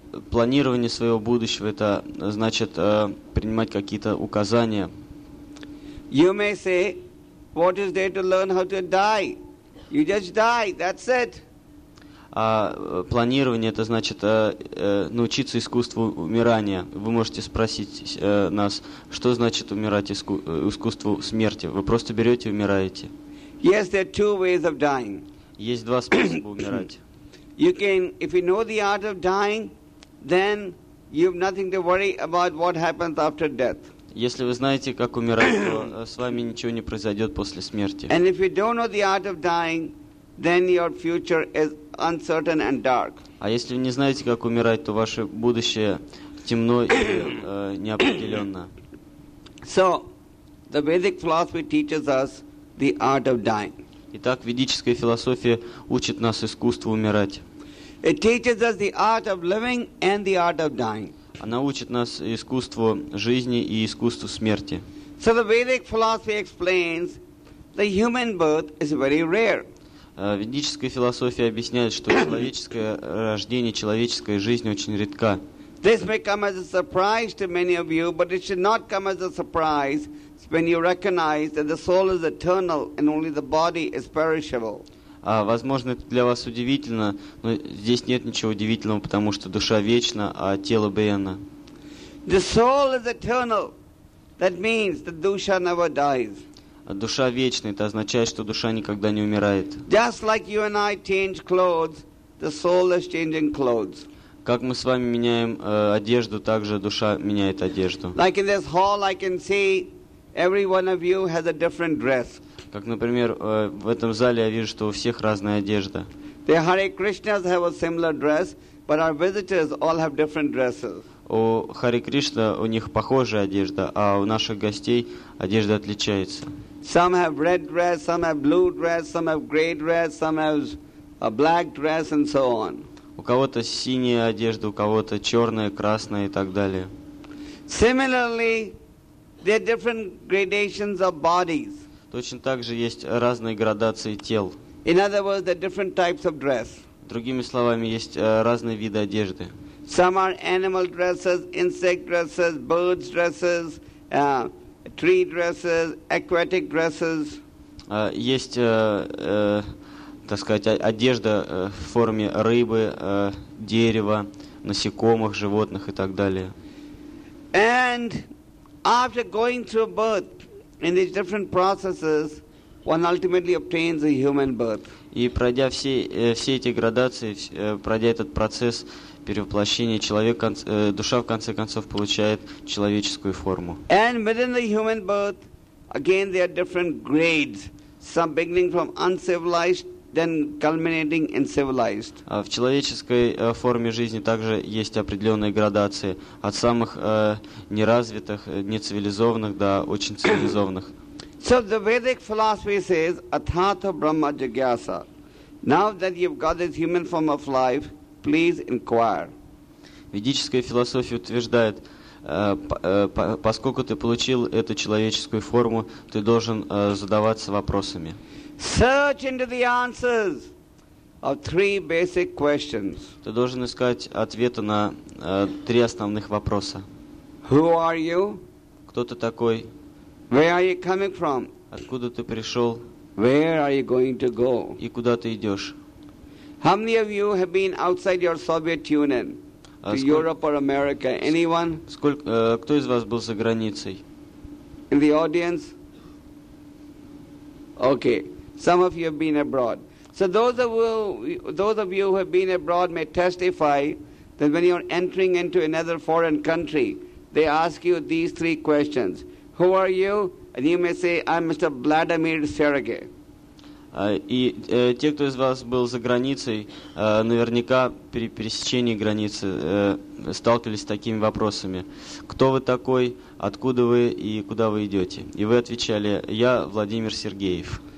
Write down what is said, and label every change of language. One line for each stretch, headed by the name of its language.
Russian: Планирование своего будущего — это значит принимать какие-то указания.
English: You may say, what is there to learn how to die? You just die, that's it.
Russian: А планирование — это значит научиться искусству умирания. Вы можете спросить нас, что значит умирать искусству смерти. Вы просто берете и умираете.
English: Yes, there are two ways of dying.
Russian: Есть два способа умирать.
English: You can, if you know the art of dying, then you have nothing to worry about what happens after death.
Russian: Если вы знаете, как умирать, то с вами ничего не произойдет после смерти.
English: And if you don't know the art of dying, then your future is uncertain and dark.
Russian: А если вы не знаете, как умирать, то ваше будущее темно и неопределенно.
English: So, the Vedic philosophy teaches us the art of dying.
Russian: Итак, ведическая философия учит нас искусству умирать.
English: It teaches us the art of living and the art of dying.
Russian: Она учит нас искусству жизни и искусству смерти.
English: So the Vedic philosophy explains the human birth is very rare.
Russian: Ведическая философия объясняет, что человеческое рождение, человеческая жизнь очень редка.
English: This may come as a surprise to many of you, but it should not come as a surprise when you recognize that the soul is eternal and only the body is perishable.
Russian: Возможно, это для вас удивительно, но здесь нет ничего удивительного, потому что душа вечна, а тело бренно.
English: The soul is eternal. That means the dusha never dies.
Russian: Душа вечна — это означает, что душа никогда не умирает.
English: Just like you and I change clothes, the soul is changing clothes.
Russian: Как мы с вами меняем одежду, так же душа меняет одежду.
English: Like in this hall, I can see every one of you has a different dress.
Russian: Как, например, в этом зале я вижу, что у всех разная одежда.
English: The Hare Krishnas have a similar dress, but our visitors all have different dresses.
Russian: У Харе Кришна у них похожая одежда, а у наших гостей одежда отличается.
English: Some have red dress, some have blue dress, some have gray dress, some have a black dress, and so on.
Russian: У кого-то синяя одежда, у кого-то черная, красная и так далее.
English: Similarly, there are different gradations of bodies.
Russian: Точно так же есть разные градации тел.
English: In other words, there are different types of dress.
Russian: Другими словами, есть разные виды одежды.
English: Some are animal dresses, insect dresses, birds dresses, tree dresses, aquatic dresses.
Russian: Есть, так сказать, одежда в форме рыбы, дерева, насекомых, животных и так далее.
English: And after going through birth in these different processes, one ultimately obtains a human birth.
Russian: И пройдя все эти градации, пройдя этот процесс перевоплощения, душа в конце концов получает человеческую форму.
English: And within the human birth, again there are different grades, some beginning from uncivilized, then culminating in civilized.
Russian: В человеческой форме жизни также есть определенные градации, от самых неразвитых, нецивилизованных до очень цивилизованных.
English: So the Vedic philosophy says,
Sanskrit: Athato Brahma Jagyasa.
English: Now that you've got this human form of life, please inquire.
Russian: Ведическая философия утверждает, поскольку ты получил эту человеческую форму, ты должен задаваться вопросами.
English: Search into the answers of three basic questions.
Russian: Ты должен искать ответы на три основных вопроса.
English: Who are you?
Russian: Кто ты такой?
English: Where are you coming from?
Russian: Откуда ты пришел?
English: Where are you going to go?
Russian: И куда ты идешь?
English: How many of you have been outside your Soviet Union, to Europe or America? Anyone?
Russian: Кто из вас был за границей?
English: In the audience? Okay. Some of you have been abroad. So those of you who have been abroad may testify that when you're entering into another foreign country, they ask you these three questions. Who are you? And you may say, I'm Mr. Vladimir Sergey.
Russian: И те, кто из вас был за границей, наверняка при пересечении границы сталкивались с такими вопросами. Кто вы такой, откуда вы и куда вы идете? И вы отвечали, я Владимир Сергеев.